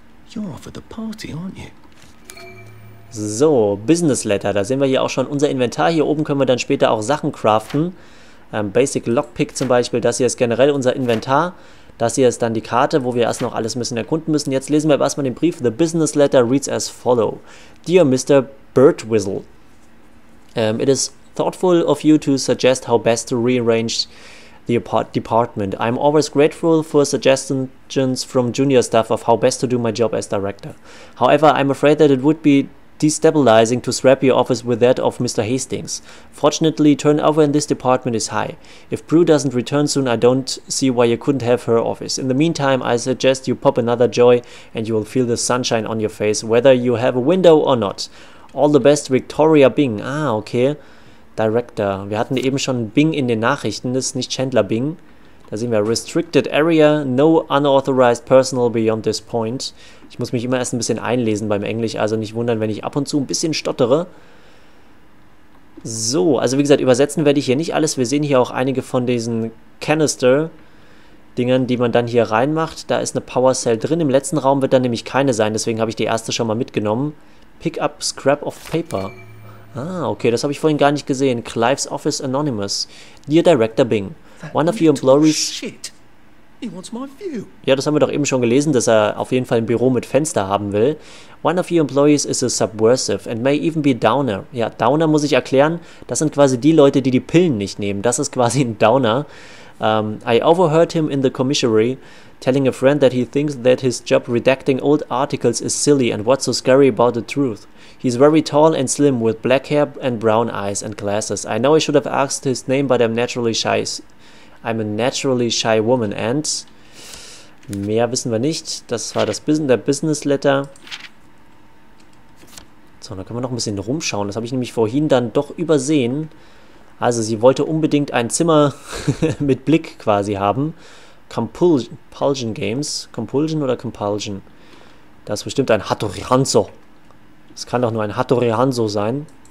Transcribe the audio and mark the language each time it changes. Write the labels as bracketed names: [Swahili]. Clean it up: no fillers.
[English] You're off at the party, aren't you? So, Business Letter. [German] Da sehen wir hier auch schon unser Inventar. Hier oben können wir dann später auch Sachen craften. Basic Lockpick zum Beispiel. Das hier ist generell unser Inventar. Das hier ist dann die Karte, wo wir erst noch alles ein bisschen erkunden müssen. Jetzt lesen wir aber erstmal den Brief. [English] The business letter reads as follow. Dear Mr. Birtwhistle, it is thoughtful of you to suggest how best to rearrange the department. I'm always grateful for suggestions from junior staff of how best to do my job as director. However, I'm afraid that it would be destabilizing to swap your office with that of Mr. Hastings. Fortunately, turnover in this department is high. If Prue doesn't return soon, I don't see why you couldn't have her office. In the meantime, I suggest you pop another joy and you will feel the sunshine on your face, whether you have a window or not. All the best, Victoria Bing. Ah, okay. Director. [German] Wir hatten eben schon Bing in den Nachrichten. Das ist nicht Chandler Bing. Da sehen wir [English] Restricted Area, no unauthorized personal beyond this point. [German] Ich muss mich immer erst ein bisschen einlesen beim Englisch, also nicht wundern, wenn ich ab und zu ein bisschen stottere. So, also wie gesagt, übersetzen werde ich hier nicht alles. Wir sehen hier auch einige von diesen Canister-Dingern, die man dann hier reinmacht. Da ist eine Power Cell drin. Im letzten Raum wird dann nämlich keine sein, deswegen habe ich die erste schon mal mitgenommen. [English] Pick up scrap of paper. [German] Ah, okay, das habe ich vorhin gar nicht gesehen. [English] Clive's Office Anonymous. Dear Director Bing. One of your employees. Shit. He wants my view. [German] Ja, das haben wir doch eben schon gelesen, dass er auf jeden Fall ein Büro mit Fenster haben will. [English] One of your employees is a subversive and may even be downer. [German] Ja, Downer muss ich erklären. Das sind quasi die Leute, die die Pillen nicht nehmen. Das ist quasi ein Downer. [English] I overheard him in the commissary telling a friend that he thinks that his job redacting old articles is silly and what's so scary about the truth. He's very tall and slim with black hair and brown eyes and glasses. I know I should have asked his name, but I'm a naturally shy woman and [German] mehr wissen wir nicht. Das war der Business Letter. So, da können wir noch ein bisschen rumschauen. Das habe ich nämlich vorhin dann doch übersehen. Also, sie wollte unbedingt ein Zimmer mit Blick quasi haben. Compulsion Games. Compulsion oder Compulsion? Das ist bestimmt ein Hattori Hanzo. Es kann doch nur ein Hattori Hanzo sein.